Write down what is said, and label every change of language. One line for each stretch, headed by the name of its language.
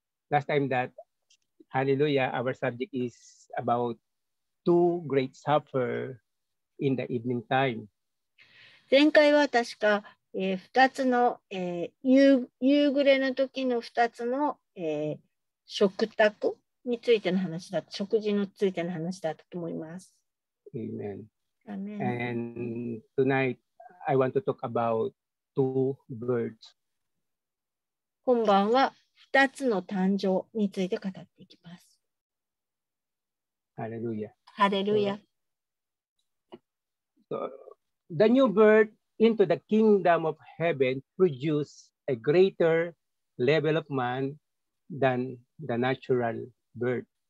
English: Last time that Hallelujah, our subject is about two great sufferers. In the evening time.
Japanese: 前回は確か、2つの、夕暮れの時の2つの、食卓についての話だ、食事についての話だったと思います。
English: Amen. Amen. And tonight I want to talk about two birds.
Japanese: 今晩は2つの誕生について語っていきます。
English: Hallelujah. Hallelujah. The new birth into the kingdom of heaven produces a greater level of man than the natural birth.